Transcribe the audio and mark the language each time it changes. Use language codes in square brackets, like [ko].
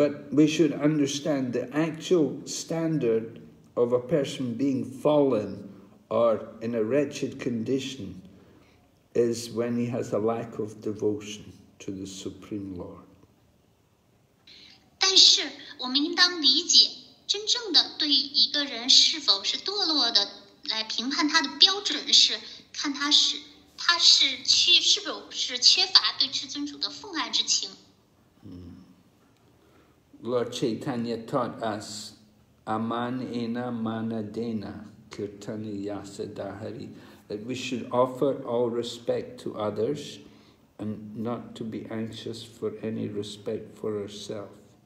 [en] we should understand the actual standard of a person being fallen or in a wretched condition is when he has a lack of devotion. to the Supreme Lord. [zh] 但是我们应当理解真正的对一个人是否是堕落的来评判他的标准是看他是缺乏对至尊主的奉爱之情。 [en] Lord Chaitanya taught us Amanena Manadena Kirtani Yasa Dahari that we should offer all respect to others and not to be anxious for any respect for ourselves.